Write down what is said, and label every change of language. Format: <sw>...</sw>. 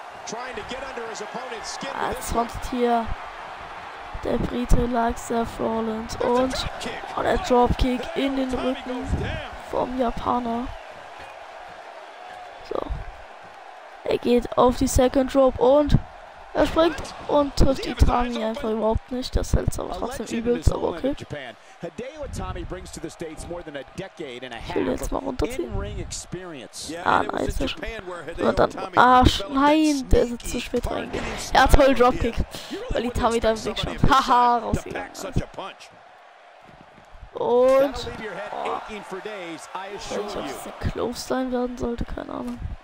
<de>Er zwanzt hier der Brite Luxor Rollins und der Dropkick in den Rücken vom Japaner. So, er geht auf die Second Rope und er springt und trifft die Tami einfach überhaupt nicht. Das hält aber trotzdem übelst, aber okay.</de> <en>Hideo Itami brings to the States more than a decade and a half of in-ring experience.</en> <de>Ah, nein, ist er schon. Und dann, ah, nein, der ist zu spät reingegangen. Ja, toll, Dropkick. Weil Itami da im Weg schon. Haha, rausgegangen. Und, oh, ich weiß, ob es ein Clothesline werden sollte, keine Ahnung.</de>